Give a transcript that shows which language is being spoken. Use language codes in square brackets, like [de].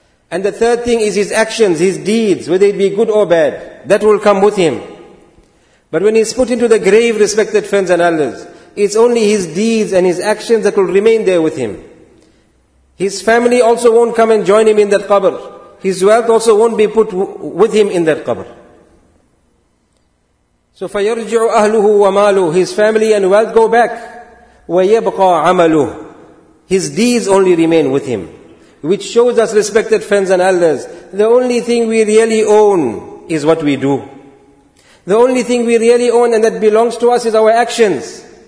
[en] And the third thing is his actions, his deeds, whether it be good or bad, that will come with him. But when he's put into the grave, respected friends and elders, it's only his deeds and his actions that will remain there with him. His family also won't come and join him in that qabr. His wealth also won't be put with him in that qabr. So, [ar] فَيَرْجِعُ أَهْلُهُ وَمَالُهُ. [en] His family and wealth go back. [ar] وَيَبْقَى عَمَلُهُ. [en] His deeds only remain with him. Which shows us, respected friends and elders, the only thing we really own is what we do. The only thing we really own and that belongs to us is our actions.